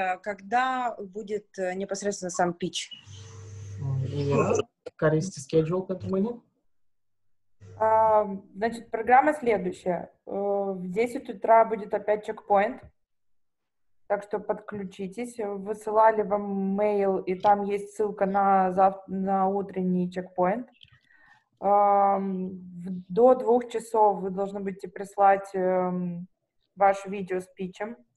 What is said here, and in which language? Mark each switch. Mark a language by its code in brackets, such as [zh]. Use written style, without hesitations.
[ru] Когда будет непосредственно сам pitch? [ro] Care este schedule pentru mâine? [ru] Значит, программа следующая. В 10 утра будет опять чекпоинт. Так что подключитесь. Высылали вам mail, и там есть ссылка на утренний чекпоинт. До 2 часов вы должны будете прислать ваше видео с питчем.